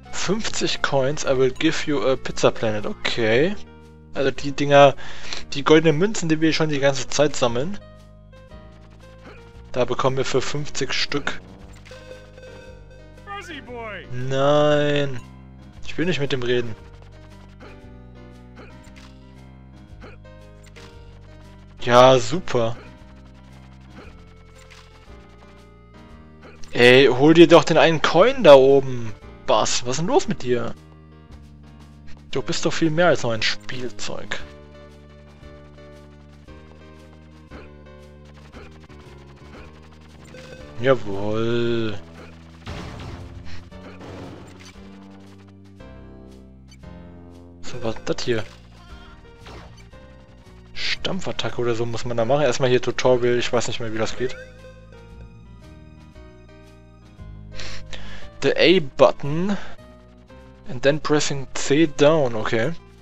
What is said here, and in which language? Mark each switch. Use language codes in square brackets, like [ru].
[en] 50 Coins, I will give you a Pizza Planet. Okay. [de] Also die Dinger, die goldenen Münzen, die wir schon die ganze Zeit sammeln. Da bekommen wir für 50 Stück. Nein. Ich will nicht mit dem reden. Ja, super. Ey, hol dir doch den einen Coin da oben. Bass, was ist denn los mit dir? Du bist doch viel mehr als nur ein Spielzeug. Jawohl. So, was ist das hier? Stampfattacke oder so muss man da machen. Erstmal hier Tutorial, ich weiß nicht mehr, wie das geht. [en] The A button and then pressing C down, okay.